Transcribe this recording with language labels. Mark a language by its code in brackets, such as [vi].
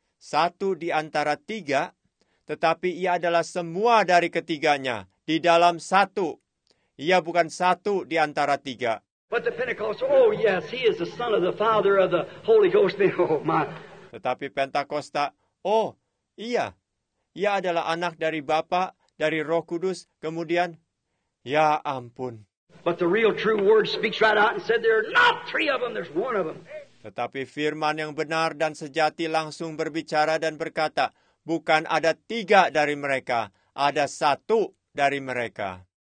[id] Satu di antara tiga, tetapi ia adalah semua dari ketiganya di dalam satu. Ia bukan satu di antara tiga. [en] But the Pentecost, oh yes, he is the son of the Father of the Holy Ghost. Oh my. [id] Tetapi Pentakosta, oh iya, ia adalah anak dari Bapa, dari Roh Kudus, kemudian, ya ampun. [en] But the real true word speaks right out and said there are not three of them, there's one of them. Tetapi firman yang benar dan sejati langsung berbicara dan berkata, bukan ada tiga dari mereka, ada satu dari mereka.